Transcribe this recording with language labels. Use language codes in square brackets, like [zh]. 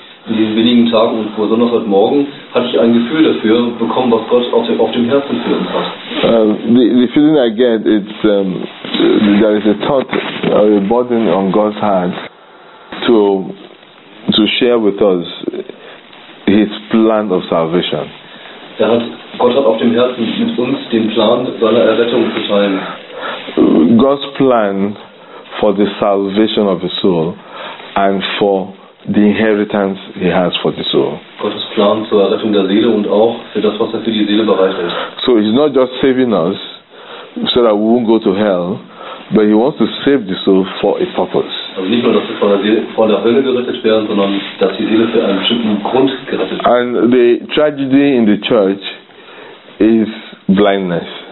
[de] In diesen wenigen Tagen und besonders heute Morgen hatte ich ein Gefühl dafür bekommen, was Gott auf dem Herzen für uns hat. [en] The feeling I get, it's there is a thought, a burden on God's heart to share with us His plan of salvation. [de] Gott hat auf dem Herzen mit uns den Plan seiner Errettung zu teilen. [en] God's plan for the salvation of the soul and for the inheritance He has for the soul. [de] Gottes Plan zur Errettung der Seele und auch für das, was für die Seele bereit ist. [en] So He's not just saving us so that we won't go to hell, but He wants to save the soul for a purpose. [de] Also nicht nur, dass wir von der Hölle gerettet werden, sondern dass die Seele für einen bestimmten Grund gerettet wird. [en] And the tragedy in the church is blindness.